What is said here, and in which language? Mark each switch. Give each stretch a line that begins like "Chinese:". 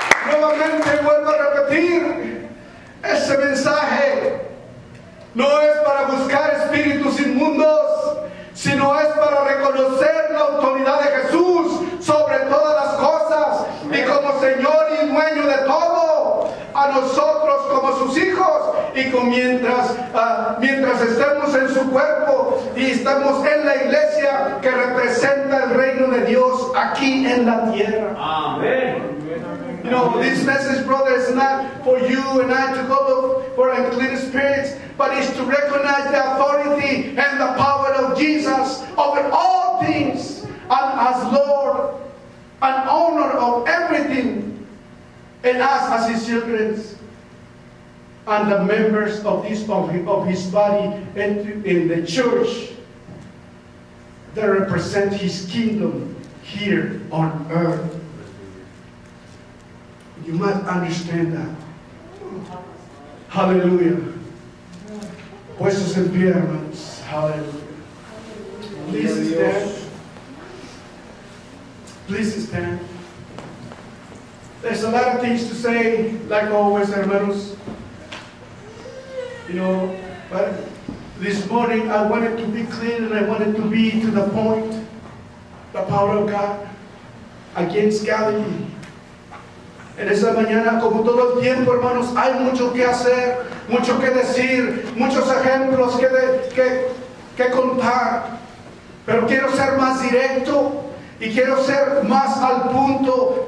Spanish: nuevamente vuelvo a repetir, ese mensaje no es para buscar espíritus inmundos, sino es para reconocer la autoridad de Jesús sobre todas las cosas y como Señor y dueño de todo, a nosotros como sus hijos, y con mientras estemos en su cuerpo y estamos en la iglesia que representa el reino de Dios aquí en la tierra. Amén.
English: You know, this message, brother, is not for you and I to go for unclean spirits, but it's to recognize the authority and the power of Jesus over all things, and as Lord and owner of everything, and us as his children and the members of this of his body and in the church that represent his kingdom here on earth. You must understand that. Hallelujah.
Spanish: Puestos en pie, hermanos.
English: Hallelujah. Please stand. Please stand. There's a lot of things to say, like always, hermanos. You know, but this morning I wanted to be clear and I wanted to be to the point. The power of God against Galilee.
Spanish: En esa mañana, como todo el tiempo, hermanos, hay mucho que hacer, mucho que decir, muchos ejemplos que contar. Pero quiero ser más directo y quiero ser más al punto.